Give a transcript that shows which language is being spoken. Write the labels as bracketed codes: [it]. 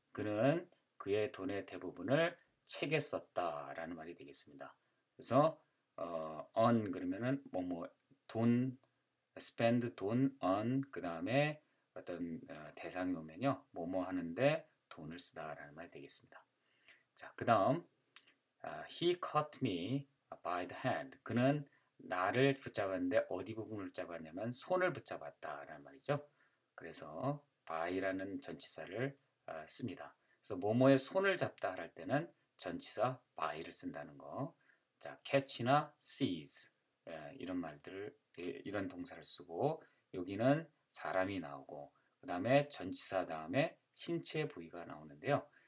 [ko] 그는 그의 돈의 대부분을 책에 썼다라는 말이 되겠습니다. 그래서 on 그러면은 뭐뭐 돈 spend 돈 on 그다음에 어떤 대상이 오면요. 뭐뭐 하는데 돈을 쓰다라는 말이 되겠습니다. [en] 자, 그다음 he caught me by the hand. [ko] 그는 나를 붙잡았는데 어디 부분을 붙잡았냐면 손을 붙잡았다라는 말이죠. 그래서 by라는 전치사를 씁니다. 그래서 뭐뭐에 손을 잡다 할 때는 전치사 by를 쓴다는 거. 자, catch나 seize 이런 말들을 이런 동사를 쓰고 여기는 사람이 나오고 그다음에 전치사 다음에 신체 부위가 나오는데요.